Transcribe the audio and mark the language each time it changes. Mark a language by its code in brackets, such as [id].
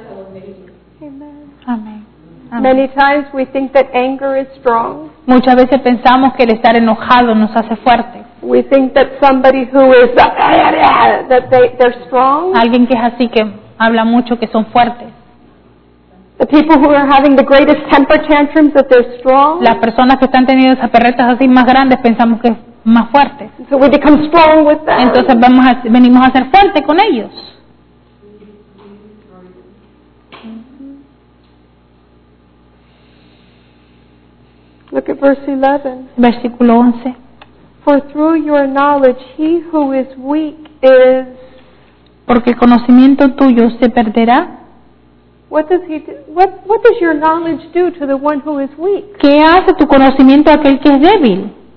[en] Many times we think that anger is strong. [es] Muchas veces pensamos que el estar enojado nos hace fuerte. [en] We think that somebody who is that they're strong. [es] Alguien que es así que habla mucho que son fuertes. [en] The people who are having the greatest temper tantrums that they're strong. [es] Las personas que están teniendo esas perretas así más grandes pensamos que es más fuerte. [en] So we become strong with them. [es] Entonces venimos a ser fuerte con ellos. [en] Look at verse 11. [es] Versículo 11. [en] For through your knowledge, he who is weak is. [es] Porque el conocimiento tuyo se perderá. [en] What does your knowledge do to the one who is weak? [es] ¿Qué hace tu conocimiento a aquel que es débil?